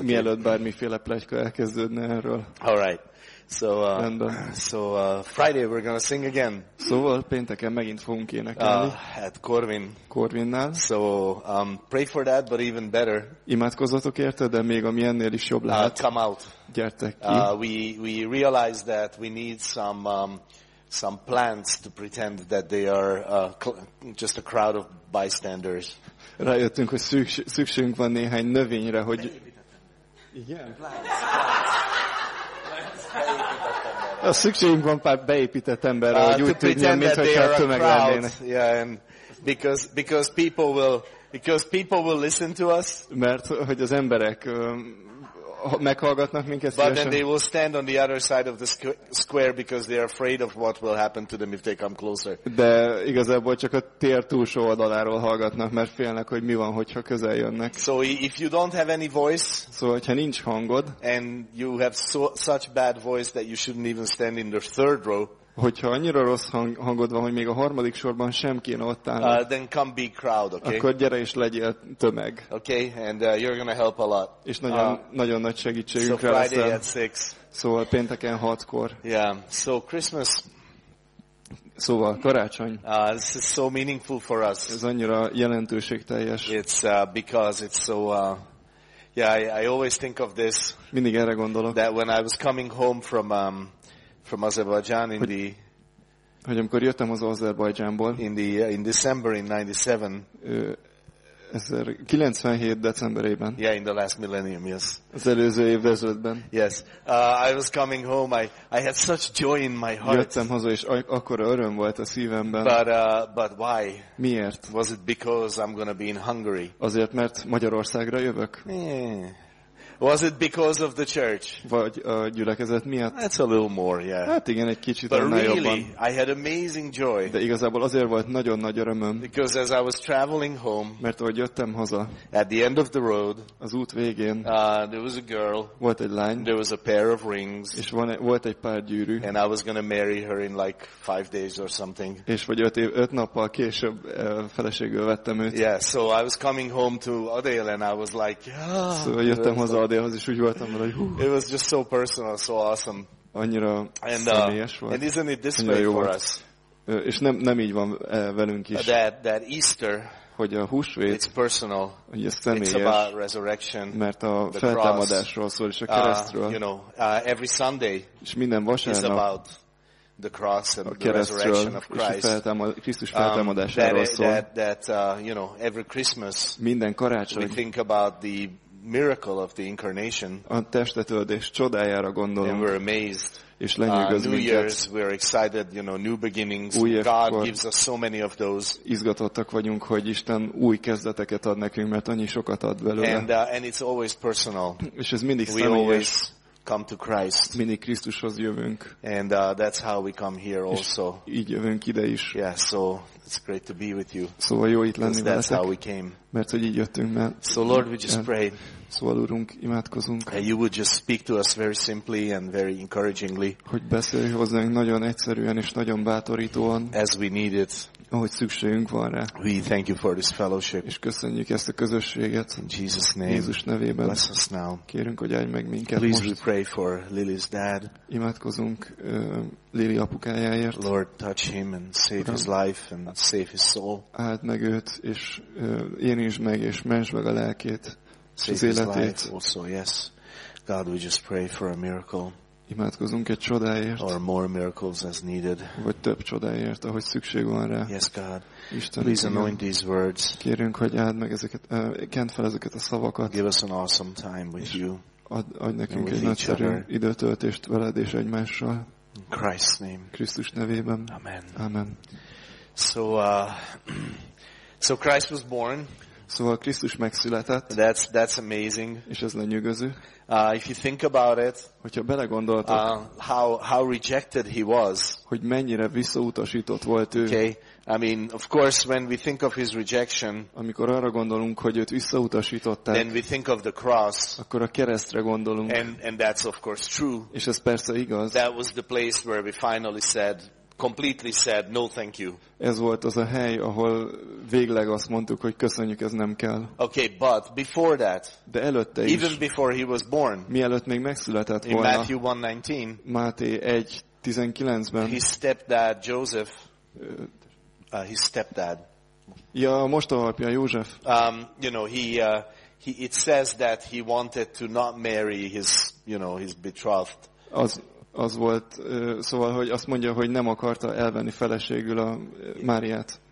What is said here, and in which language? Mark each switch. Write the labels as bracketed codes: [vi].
[hu] Mielőtt bármiféle pletyka elkezdődne erről. [en] All right. So Friday we're gonna sing again. [hu] Szóval pénteken megint fogunk énekelni. [en] At Corvin. [hu] Corvinnál. [en] So pray for that, but even better. [hu] Imádkozzatok érte, de még ami ennél is jobb lehet. [en] Come out. [hu] Gyertek ki. [en] We realize that we need some plants to pretend that they are just a crowd of bystanders. [hu] Rájöttünk, hogy szükségünk van néhány növényre, hogy igen. A szükségünk van pár beépített emberre, hogy úgy tűnjön, mint hogyha a tömeg lennének. [en] Yeah, and because people will listen to us. [hu] Mert hogy az emberek meghallgatnak minket. [en] But then they will stand on the other side of the square because they are afraid of what will happen to them if they come closer. [hu] De igazából csak a tér túlsó oldaláról hallgatnak, mert félnek, hogy mi van, hogyha közel jönnek. [en] So if you don't have any voice, [hu] so hogyha nincs hangod, [en] and you have such bad voice that you shouldn't even stand in the third row. [hu] Hogyha annyira rossz hangod van, hogy még a harmadik sorban sem kéne ott állni. [en] Then come be crowd, okay? [hu] Akkor gyere és legyél tömeg. [en] Okay, and you're gonna help a lot. [hu] És nagyon nagyon nagy segítségünkre lesz. [en] So Friday at 6. [hu] Szóval pénteken 6-kor. [en] Yeah. So Christmas. [hu] Szóval karácsony. [en] This is so meaningful for us. [hu] Ez annyira jelentőségteljes. [en] It's because it's so I always think of this. [hu] Mindig erre gondolok. [en] That when I was coming home from Azerbaijan in [hu] hogy amikor jöttem az Azerbaijánból [en] in December in 97 [hu] 97 decemberében, [en] yeah, in the last millennium, yes, [hu] az előző évezredben, [en] yes, I was coming home, I had such joy in my heart, [hu] jöttem haza és akkora öröm volt a szívemben, [en] but why, [hu] miért, [en] was it because I'm gonna be in Hungary, [hu] azért mert Magyarországra jövök, [en] yeah. Was it because of the church? [hu] Vagy a gyülekezet miatt? [en] That's a little more, yeah. [hu] Hát igen, egy kicsit annál [en] really, [hu] jobban. [en] But really, I had amazing joy. [hu] De igazából azért volt nagyon nagy örömöm. [en] Because as I was traveling home, [hu] mert ahogy jöttem haza, [en] at the end of the road, [hu] az út végén, [en] there was a girl, [hu] volt egy lány, [en] there was a pair of rings, [hu] és volt egy pár gyűrű, [en] and I was gonna marry her in like 5 days or something. [hu] És vagy öt nappal később feleségül vettem őt. [en] Yeah, so I was coming home to Adél, and I was like, [hu] szóval jöttem haza. De az is úgy voltam, hogy [en] it was just so personal, so awesome. [hu] Annyira személyes volt. [en] And isn't it this way for us? [hu] És nem így van velünk is. [en] That Easter, [hu] hogy a húsvét, [en] it's personal, [hu] hogy ez személyes, [en] it's about resurrection, [hu] mert a feltámadásról szól, és a keresztről. [en] You know, every Sunday, [hu] és minden vasárnap, [en] is about the cross and the resurrection of Christ. [hu] Krisztus feltámadásáról szól. [en] You know, every Christmas, [hu] minden karácsony, [en] we think about the miracle of the incarnation. [hu] A testetöldés csodájára gondolunk. [en] And we're amazed. [hu] És lenyűgöz minket. [en] New Year's, we're excited, you know, new beginnings. [hu] Új évkor. [en] God gives us so many of those. [hu] Izgatottak vagyunk, hogy Isten új kezdeteket ad nekünk, mert annyi sokat ad belőle. [en] And it's always personal. [hu] És ez mindig személyes. [en] Come to Christ. [hu] Mindig Krisztushoz jövünk. [en] And that's how we come here also. [hu] Így jövünk ide is. [en] Yeah, so it's great to be with you. [hu] Szóval jó itt lenni veletek. [en] That's how we came. [hu] Mert hogy így jöttünk, mert. [en] So Lord, we just pray. [hu] Szóval Urunk, imádkozunk. [en] And you would just speak to us very simply and very encouragingly. [hu] Hogy beszélj hozzánk nagyon egyszerűen és nagyon bátorítóan. [en] As we need it. [hu] Ahogy szükségünk van rá. [en] We thank you for this fellowship. [hu] És köszönjük ezt a közösséget. [en] In Jesus name. [hu] Jézus nevében. [en] Bless us now. [hu] Kérünk, hogy áldj meg minket. [en] Please [hu] most. [en] We pray for Lily's dad. [hu] Imádkozunk Lily apukájáért. [en] Lord, touch him and save his life and save his soul. [hu] Áld meg őt, és érintsd meg, és mentsd meg a lelkét. [en] Save his life also, yes. God, we just pray for a miracle. [hu] Imádkozunk egy csodáért. [en] Or more miracles as needed. [hu] Vagy több csodáért, ahogy szükség van rá. [en] Yes, God. [hu] Isten, [en] please anoint these words. [hu] Kérünk, hogy áld meg ezeket, kent fel ezeket a szavakat. [en] Give us an awesome time with you. [hu] Adj nekünk egy nagyszerű időtöltést veled és egymással. [en] In Christ's name. [hu] Krisztus nevében. [en] Amen. [hu] Amen. [en] So Christ was born. [hu] Szóval Krisztus megszületett. [en] That's amazing. [hu] És ez lenyűgöző. [en] If you think about it, [hu] hogyha belegondoltok, [en] how rejected he was. [hu] Hogy mennyire visszautasított volt ő. [en] Okay. I mean, of course, when we think of his rejection, [hu] amikor arra gondolunk, hogy őt visszautasították, [en] then we think of the cross, [hu] akkor a keresztre gondolunk, [en] and that's of course true. [hu] És ez persze igaz. [en] That was the place where we finally said, completely said, no, thank you. [hu] Ez volt az a hely, ahol végleg azt mondtuk, hogy köszönjük, ez nem kell. [en] Okay, but before that, [hu] de előtte is, [en] even before he was born, [hu] mielőtt még megszületett [en] in [hu] volna, [en] Matthew 1:19, [hu] Máté 1:19-ben, [en] his stepdad Joseph. His stepdad. [hu] Ja, most a apja József. [en] You know, he it says that he wanted to not marry his, you know, his betrothed. [hu] Az volt, szóval, hogy azt mondja, hogy nem akarta elvenni feleségül a Máriát.